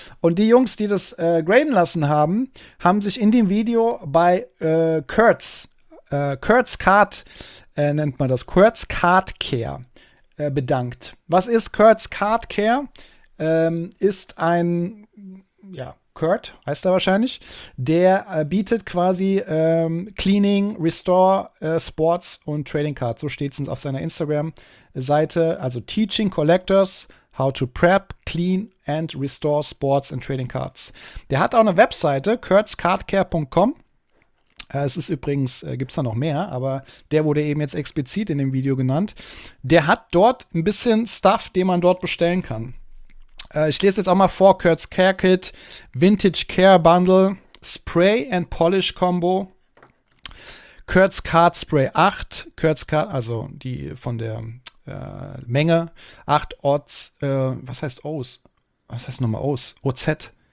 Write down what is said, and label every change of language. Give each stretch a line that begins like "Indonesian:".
German: Und die Jungs, die das graden lassen haben, haben sich in dem Video bei Kurtz, Kurtz Card, nennt man das, Kurtz Card Care bedankt. Was ist Kurtz Card Care? Ist ein, ja, Kurt heißt er wahrscheinlich, der bietet quasi Cleaning, Restore, Sports und Trading Cards. So steht es auf seiner Instagram-Seite.
English: Also Teaching Collectors how to prep, clean and restore sports and trading cards.
German: Der hat auch eine Webseite, kurtzcardcare.com. Es ist übrigens, gibt es da noch mehr, aber der wurde eben jetzt explizit in dem Video genannt. Der hat dort ein bisschen Stuff, den man dort bestellen kann. Ich lese jetzt auch mal vor: Kurtz Care Kit, Vintage Care Bundle, Spray and Polish Combo, Kurtz Card Spray 8, Kurtz Card, also die von der Menge, 8 Ots, was heißt O's? Was heißt nochmal O's? OZ.